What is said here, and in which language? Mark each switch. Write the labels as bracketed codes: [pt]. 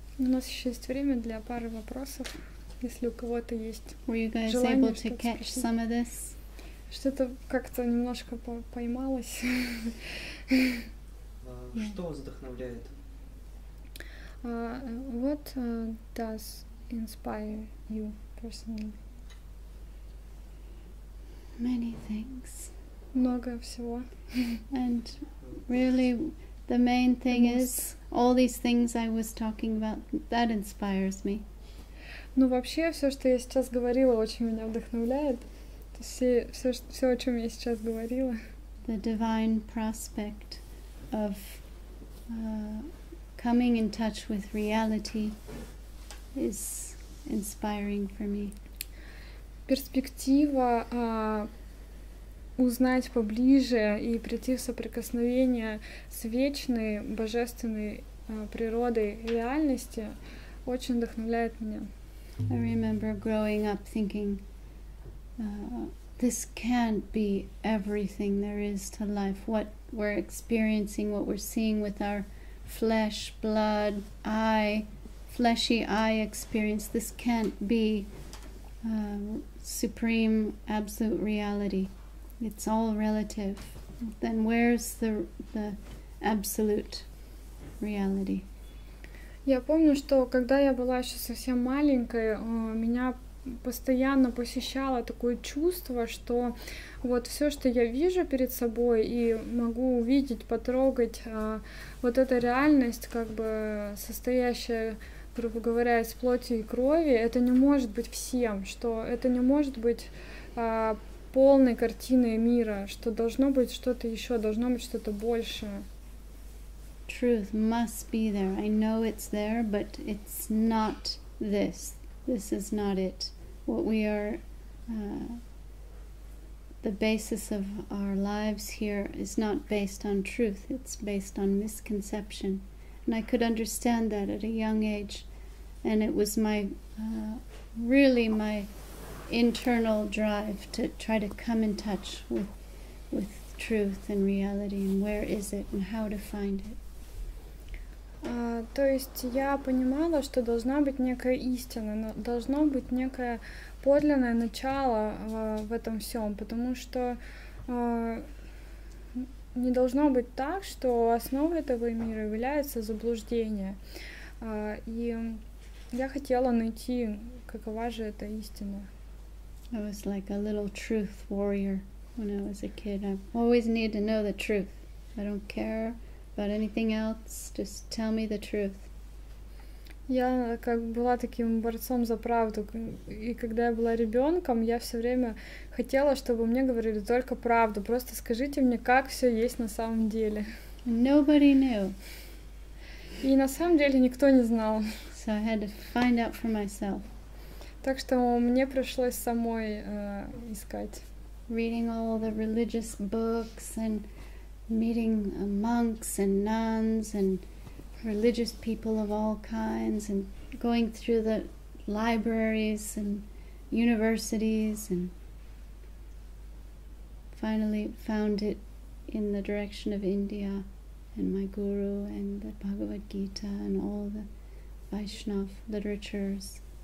[ru] У нас еще есть время для пары вопросов, если у кого-то есть [en] Were you guys [ru] желание [en] able to [ru] что-то [en] catch [ru] спросить. [en] Some of this? [ru] Что-то как-то немножко поймалось. Что вас вдохновляет? [en] What does inspire you personally? Many things. [ru] Много всего. [en] And really, the main thing is all these things I was talking about that inspires me. [ru] Ну вообще все, что я сейчас говорила, очень меня вдохновляет. Все, о чем я сейчас говорила. [en] The divine prospect of coming in touch with reality is inspiring for me. [ru] Перспектива узнать поближе и прийти в соприкосновение с вечной божественной природой реальности очень вдохновляет меня. [en] I remember growing up thinking this can't be everything there is to life. What we're experiencing, what we're seeing with our flesh, blood, eye, fleshy eye experience, this can't be supreme, absolute reality. It's all relative. Then where's the absolute reality? [ru] Я помню, что когда я была еще совсем маленькой, меня постоянно посещало такое чувство, что вот все, что я вижу перед собой и могу увидеть, потрогать, вот эта реальность, как бы состоящая, грубо говоря, из плоти и крови, это не может быть всем, что это не может быть полной картиной мира, что должно быть что-то еще, должно быть что-то большее. [en] Truth must be there. I know it's there, but it's not this. This is not it. What we are, the basis of our lives here is not based on truth. It's based on misconception. And I could understand that at a young age. And it was my, really my internal drive to try to come in touch with truth and reality. And where is it and how to find it. [ru] То есть я понимала, что должна быть некая истина, должно быть некое подлинное начало в этом всем, потому что не должно быть так, что основой этого мира является заблуждение. И я хотела найти, какова же эта истина. [en] I was like a little truth warrior when I was a kid. I always need to know the truth. I don't care. About anything else, just tell me the truth. [ru] Я как была таким борцом за правду, и когда я была ребенком, я все время хотела, чтобы мне говорили только правду. Просто скажите мне, как все есть на самом деле. [en] Nobody knew. [ru] И на самом деле никто не знал. [en] So I had to find out for myself. [ru] Так что мне пришлось самой искать. [en] Reading all the religious books and meeting monks and nuns and religious people of all kinds and going through the libraries and universities and finally found it in the direction of India and my guru and the Bhagavad Gita and all the Vaishnav literatures.